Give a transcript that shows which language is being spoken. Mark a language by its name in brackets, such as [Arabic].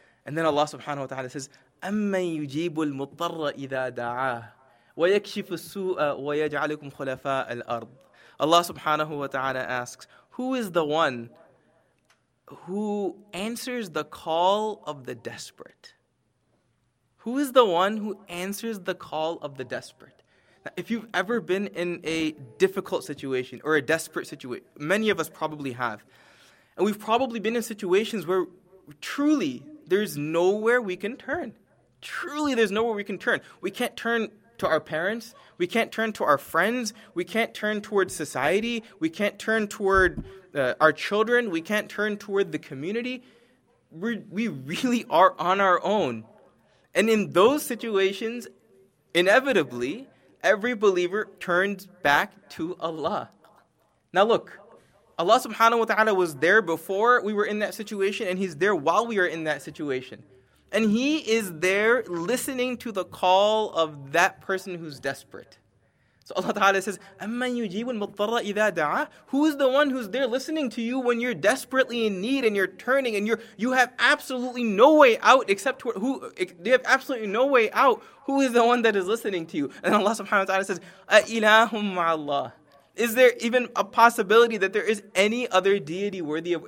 [English] And then Allah subhanahu wa ta'ala says, [Arabic] أَمَّنْ يُجِيبُ الْمُضْطَرَّ إِذَا دَعَاهُ وَيَكْشِفُ السُّوءَ وَيَجْعَلُكُمْ خُلَفَاءَ الْأَرْضِ. [English] Allah subhanahu wa ta'ala asks, who is the one who answers the call of the desperate? Who is the one who answers the call of the desperate? Now, if you've ever been in a difficult situation or a desperate situation, many of us probably have, and we've probably been in situations where truly there's nowhere we can turn. Truly there's nowhere we can turn. We can't turn to our parents. We can't turn to our friends. We can't turn toward society. We can't turn toward our children. We can't turn toward the community. We really are on our own. And in those situations, inevitably, every believer turns back to Allah. Now look, Allah subhanahu wa ta'ala was there before we were in that situation, and He's there while we are in that situation. And He is there listening to the call of that person who's desperate. So Allah Ta'ala says, [Arabic] أَمَّنْ يُجِيبُ الْمُضْطَرَّ إِذَا دَعَى. [English] Who is the one who's there listening to you when you're desperately in need and you're turning and you have absolutely no way out except who? You have absolutely no way out. Who is the one that is listening to you? And Allah Subhanahu Wa Ta'ala says, [Arabic] أَإِلَهُمْ مَعَ اللَّهِ. [English] Is there even a possibility that there is any other deity worthy of?